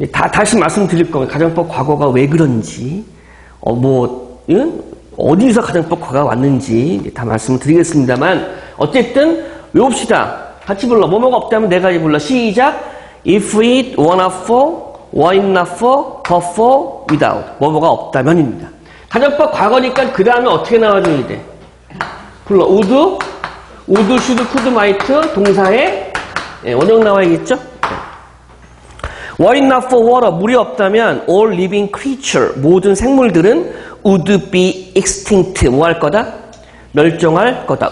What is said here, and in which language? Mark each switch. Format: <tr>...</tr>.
<ko>다시 말씀드릴 겁니다. 가정법 과거가 왜 그런지. 어디서 가정법 과거가 왔는지 다 말씀드리겠습니다만. 어쨌든 외웁시다. 같이 불러. 뭐뭐가 없다면 네 가지 불러. 시작.</ko> <en>If it were not for, were it not for, but for, without.</en> <ko>뭐뭐가 없다면입니다. 가정법 과거니까 그 다음에 어떻게 나와줘야 돼? 불러. would, should, could, might, 동사에 원형 나와야겠죠?</ko> <en>Why not for water?</en> <ko>물이 없다면</ko> <en>all living creature,</en> <ko>모든 생물들은</ko> <en>would be extinct.</en> <ko>뭐 할 거다? 멸종할 거다.</ko>